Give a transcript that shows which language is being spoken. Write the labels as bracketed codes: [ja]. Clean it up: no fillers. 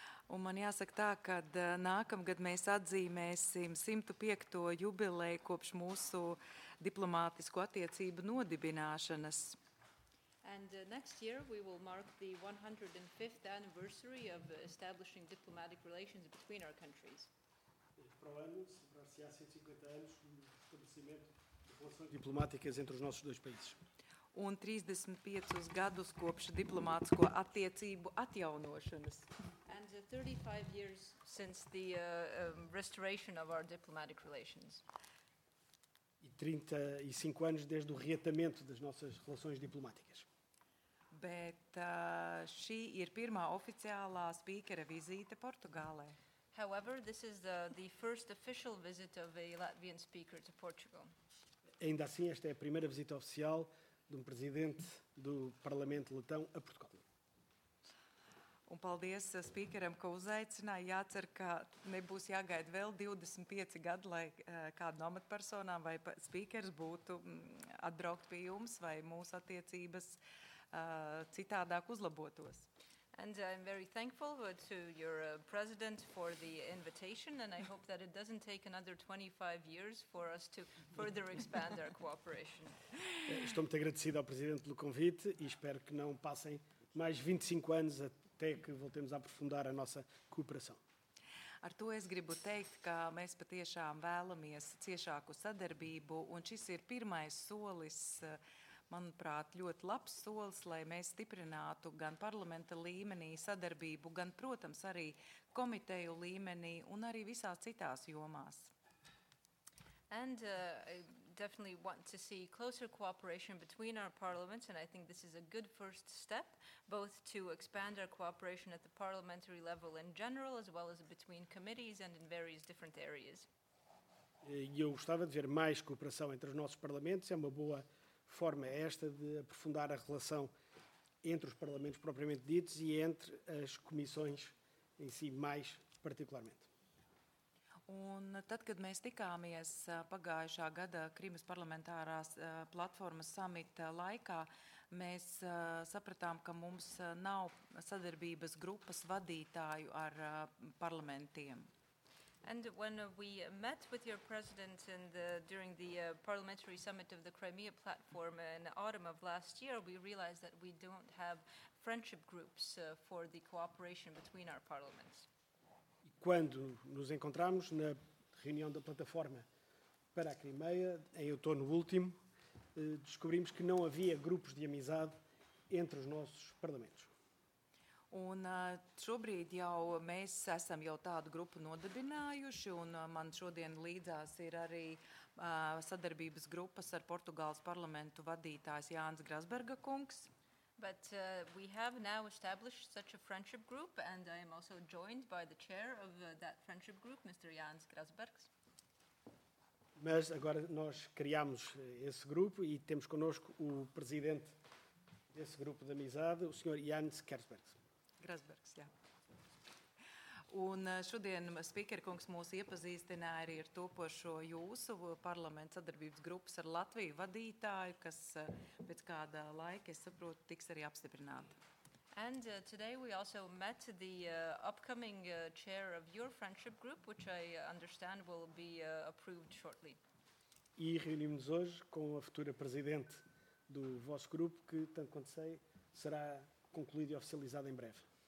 [lv] Un man jāsaka tā, ka nākamgad mēs atzīmēsim 105. Jubileju kopš mūsu diplomātisku attiecību nodibināšanas. [en] And next year we will mark the 105th anniversary of establishing diplomatic relations between our countries. [pt] Para o ano, celebrar-se-á 150 anos do estabelecimento de relações diplomáticas entre os nossos dois países. [lv] Un 35 gadus kopš diplomātisko attiecību atjaunošanas. [en] And 35 years since the restoration of our diplomatic relations. [pt] E 35 anos desde o reatamento das nossas relações diplomáticas. [lv] Bet šī ir pirmā oficiālā spīkera vizīte Portugālē. [en] However, this is the first official visit of a Latvian speaker to Portugal. [pt] Ainda assim, esta é a primeira visita oficial de presidente do Parlamento Letão a Portugal. [lv] Un paldies spīkeram, ka uzaicināja. Jācer, ka nebūs jāgaida vēl 25 gadi, lai kādu no amatpersonām vai spīkers būtu atbraukt pie jums vai mūsu attiecības citādāk uzlabotos. [en] And I'm very thankful to your president for the invitation and I hope that it doesn't take another 25 years for us to further expand our cooperation. [pt] Estou muito agradecido ao presidente pelo convite e espero que não passem mais 25 anos até que voltemos a aprofundar a nossa cooperação. [lv] Ar to es gribu teikt, ka mēs patiešām vēlamies ciešāku sadarbību un šis ir pirmais solis. Manuprāt, ļoti labs solis, lai mēs stiprinātu gan parlamenta līmenī sadarbību, gan, protams, arī komiteju līmenī un arī visās citās jomās. [en] And definitely want to see closer cooperation between our parliaments, and I think this is a good first step, both to expand our cooperation at the parliamentary level in general, as well as between committees and in various different areas. [pt] E eu gostava de ver mais cooperação entre os nossos parlamentos. É uma boa forma esta de aprofundar a relação entre os parlamentos propriamente ditos e entre as comissões em si mais particularmente. [lv] Un tad, kad mēs tikāmies pagājušā gada Krimas parlamentārās platformas samita laikā, mēs sapratām, ka mums nav sadarbības grupas vadītāju ar parlamentiem. [en] And when we met with your president in the, during the parliamentary summit of the Crimea platform in autumn of last year, we realized that we don't have friendship groups for the cooperation between our parliaments. [pt] Quando nos encontramos na reunião da plataforma para a Crimeia, em outono último, descobrimos que não havia grupos de amizade entre os nossos parlamentos. [lv] Un šobrīd jau mēs esam jau tādu grupu nodibinājuši, un man šodien līdzās ir arī sadarbības grupas ar Portugāles parlamentu vadītājs Jānis Grasberga kungs. [en] But we have now established such a friendship group, and I am also joined by the chair of that friendship group, Mr. Jānis Grasbergs. [pt] Mas agora nós criamos esse grupo e temos connosco o presidente desse grupo de amizade, o Sr. Jānis Grasbergs. [lv] Grasbergs, jā. Un šodien speaker kungs mūs iepazīstināja arī ar topošo jūsu parlamenta sadarbības grupas ar Latviju vadītāju, kas pēc kāda laika, es saprotu, tiks arī apstiprināta. [en] And today we also met the upcoming chair of your friendship group, which I understand will be approved shortly. [pt] E reunimos hoje com a futura presidente do vosso grupo, que, tanto quanto sei, será concluído e oficializado em breve.